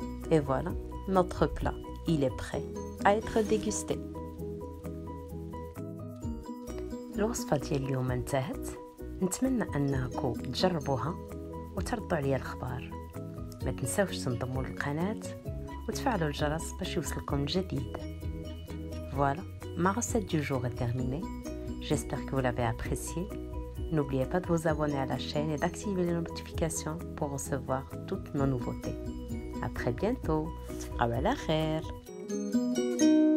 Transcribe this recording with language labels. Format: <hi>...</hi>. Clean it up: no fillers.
<fr>Et voilà, notre plat, il est prêt à être dégusté.</fr> <ar>L'osfa ديال اليوم انتهت. نتمنى انكم تجربوها وتردوا عليا الخبر. ما تنساوش تنضموا للقناة وتفعلوا الجرس باش يوصلكم الجديد.</ar> <fr>Voilà, ma recette du jour est terminée. J'espère que vous l'avez appréciée. N'oubliez pas de vous abonner à la chaîne et d'activer les notifications pour recevoir toutes nos nouveautés. À très bientôt. À la prochaine.</fr>